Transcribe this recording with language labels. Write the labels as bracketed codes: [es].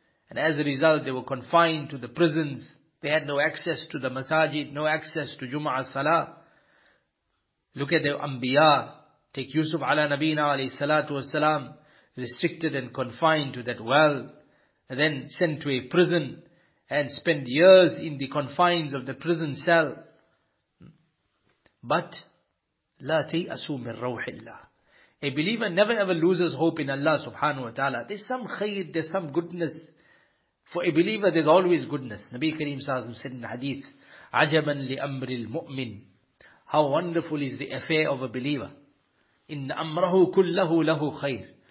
[en] And as a result, they were confined to the prisons. They had no access to the masajid, no access to Jumu'ah Salah. Look at the Anbiya. Take Yusuf ala Nabina alayhi salatu wasalam, restricted and confined to that well, and then sent to a prison and spent years in the confines of the prison cell. [ar] But لا تيأسوا من روح الله. [en] A believer never ever loses hope in Allah subhanahu wa ta'ala. There's some khayr, there's some goodness. For a believer, there's always goodness. Nabi Kareem sallallahu alayhi wa sallam said in the hadith, [ar] عَجَبًا لِأَمْرِ الْمُؤْمِنِ. [en] How wonderful is the affair of a believer. [ar] إِنْ أَمْرَهُ كُلَّهُ لَهُ خَيْرٍ.